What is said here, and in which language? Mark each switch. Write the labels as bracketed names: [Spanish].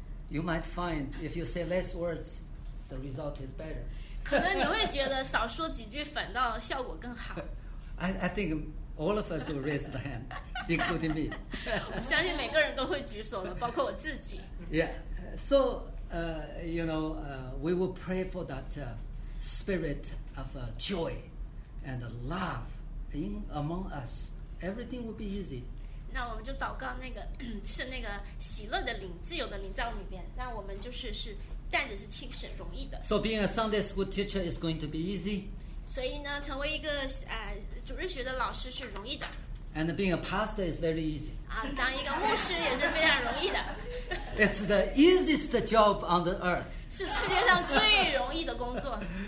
[English] You might find if you say less words, the result is better. [Chinese] 可能你会觉得少说几句反倒效果更好。 [English] I think all of us will raise the hand, including me. [Chinese] 我相信每个人都会举手的，包括我自己。 [English] Yeah. So, you know, we will pray for that spirit of joy and love in among us. Everything will be easy. [Chinese] 那我们就祷告那个是那个喜乐的灵，自由的灵在我里面，那我们就是是带着是轻省容易的。 [English] So being a Sunday school teacher is going to be easy. [Chinese] 所以呢成为一个主日学的老师是容易的。 [English] And being a pastor is very easy. [Chinese] 当一个牧师也是非常容易的。 [English] It's the easiest job on the earth. [Chinese] 是世界上最容易的工作。